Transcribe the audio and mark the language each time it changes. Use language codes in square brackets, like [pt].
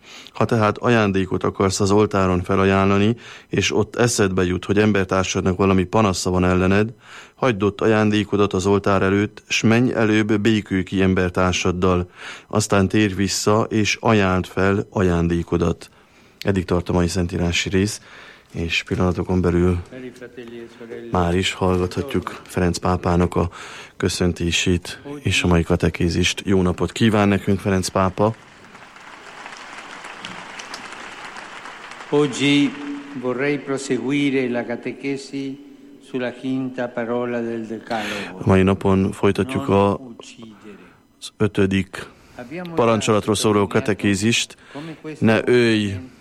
[hu] Ha tehát ajándékot akarsz az oltáron felajánlani, és ott eszedbe jut, hogy embertársadnak valami panasza van ellened, hagyd ott ajándékodat az oltár előtt, s menj előbb békülj ki embertársaddal, aztán térj vissza, és ajánld fel ajándékodat. Eddig tart a mai szentírási rész, és pillanatokon belül már is hallgathatjuk Ferenc pápának a köszöntését és a mai katekézist. Jó napot kíván nekünk, Ferenc pápa! [it] Oggi vorrei proseguire la catechesi sulla quinta parola del decalogo. [hu] A mai napon folytatjuk az 5. parancsolatról szóló katekézist. Ne ölj!